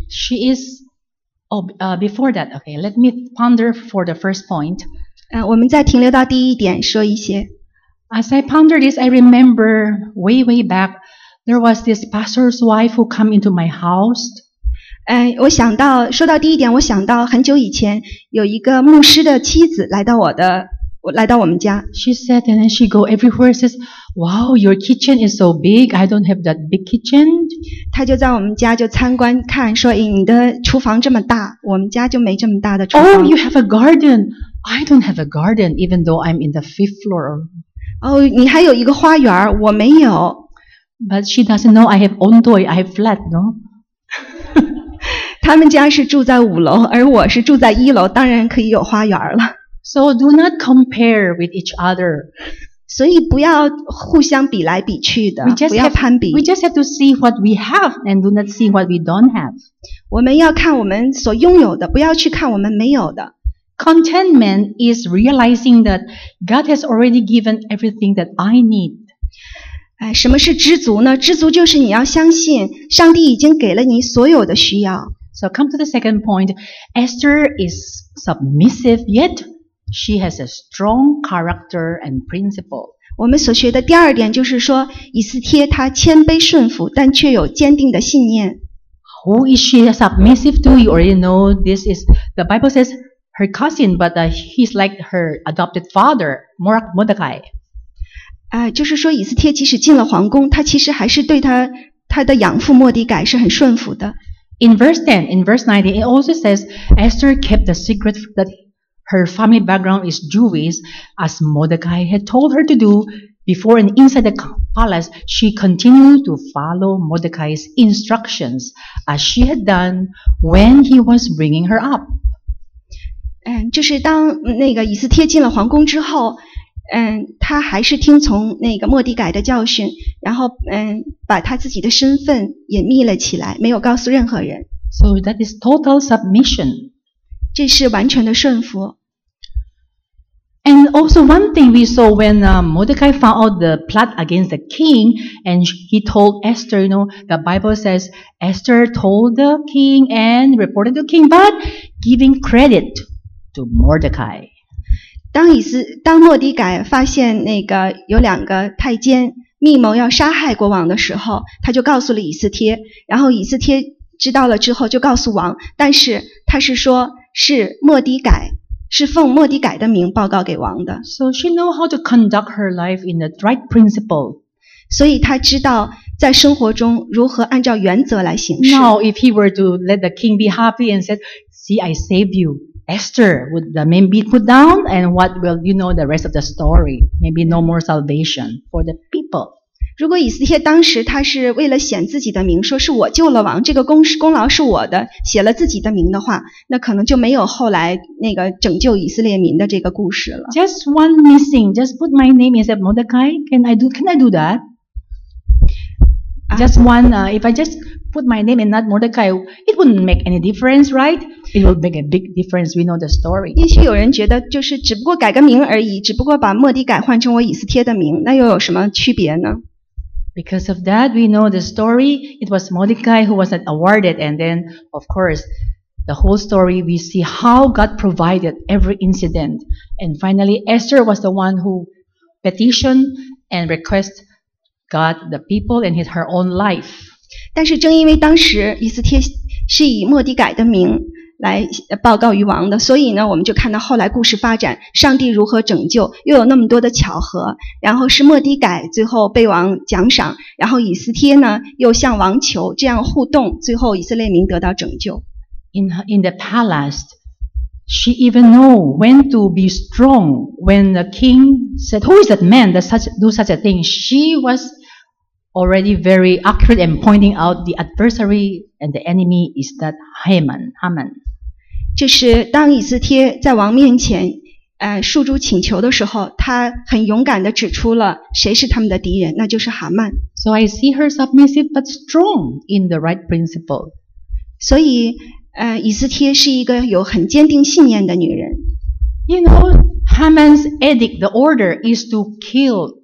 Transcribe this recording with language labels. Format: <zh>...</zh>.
<en>She is before that, okay, let me ponder for the first point.</en> <zh>我们再停留到第一点说一些。</zh> <en>As I ponder this, I remember way, way back, there was this pastor's wife who came into my house.</en> <zh>我想到说到第一点，我想到很久以前有一个牧师的妻子来到我们家。</zh> <en>She said, and then she go everywhere, says, "Wow, your kitchen is so big. I don't have that big kitchen."</en> <zh>她就在我们家就参观看，说你的厨房这么大，我们家就没这么大的厨房。</zh> <en>Oh, you have a garden. I don't have a garden, even though I'm in the fifth floor.</en> <zh>你还有一个花园，我没有。</zh> <en>But she doesn't know I have ondoy, I have flat, no.</en> <zh>他们家是住在五楼，而我是住在一楼，当然可以有花园了。</zh> <en>So do not compare with each other.</en> <zh>所以不要互相比来比去的，不要攀比。</zh> <en>We just have to see what we have and do not see what we don't have.</en> <zh>我们要看我们所拥有的，不要去看我们没有的。</zh> <en>Contentment is realizing that God has already given everything that I need.</en> <zh>什么是知足呢？知足就是你要相信上帝已经给了你所有的需要。</zh> <en>So come to the second point. Esther is submissive yet She has a strong character and principle.</en> <zh>我们所学的第二点就是说，以斯帖她谦卑顺服，但却有坚定的信念。</zh> <en>Who is she submissive to? You already know this is the Bible says her cousin, but he's like her adopted father, Mordecai.</en> <zh>就是说以斯帖即使进了皇宫，她其实还是对她的养父莫迪改是很顺服的。</zh> <en>In verse 19, it also says Esther kept the secret that. Her family background is Jewish, as Mordecai had told her to do before and inside the palace, she continued to follow Mordecai's instructions, as she had done when he was bringing her up.</en> <zh>就是当那个以斯帖进了皇宫之后，她还是听从那个莫迪改的教训，然后把她自己的身份隐秘了起来，没有告诉任何人。</zh> <en>So that is total submission.</en> <zh>这是完全的顺服。</zh> <en>And also one thing we saw when Mordecai found out the plot against the king, and he told Esther, you know, the Bible says Esther told the king and reported to the king, but giving credit to Mordecai.</en> <zh>当莫迪改发现那个有两个太监密谋要杀害国王的时候，他就告诉了以斯帖，然后以斯帖知道了之后就告诉王，但是他是说。是莫迪改，是奉莫迪改的名报告给王的。</zh> <en>So she knows how to conduct her life in the right principle.</en> <zh>所以她知道在生活中如何按照原则来行事。</zh> <en>Now, if he were to let the king be happy and said, "See, I saved you, Esther," would the man be put down? And what will you know the rest of the story? Maybe no more salvation for the people.</en> <zh>如果以斯帖当时他是为了显自己的名，说是我救了王，这个功劳是我的，写了自己的名的话，那可能就没有后来那个拯救以色列民的这个故事了。</zh> <en>Just one missing, just put my name instead of Mordecai. Can I do that? Just one. If I just put my name and not Mordecai, it wouldn't make any difference, right? It will make a big difference. We know the story.</en> <zh>也许有人觉得就是只不过改个名而已，只不过把莫迪改换成我以斯帖的名，那又有什么区别呢？</zh> <en>Because of that, we know the story. It was Mordecai who was awarded, and then, of course, the whole story. We see how God provided every incident, and finally, Esther was the one who petitioned and requested God, the people, and his her own life.</en> <zh>但是，正因为当时以斯帖是以莫迪改的名来报告于王的，所以呢，我们就看到后来故事发展，上帝如何拯救，又有那么多的巧合，然后是莫迪改最后被王奖赏，然后以斯帖呢又向王求，这样互动，最后以色列民得到拯救。</zh> <en>In the palace, she even know when to be strong. When the king said, "Who is that man that do such a thing?" She was already very accurate and pointing out the adversary. And the enemy is that Haman.</en> <zh>就是当以斯帖在王面前，述诸请求的时候，他很勇敢地指出了谁是他们的敌人，那就是哈曼。</zh> <en>So I see her submissive but strong in the right principle.</en> <zh>所以，以斯帖是一个有很坚定信念的女人。</zh> <en>You know, Haman's edict, the order, is to kill</en>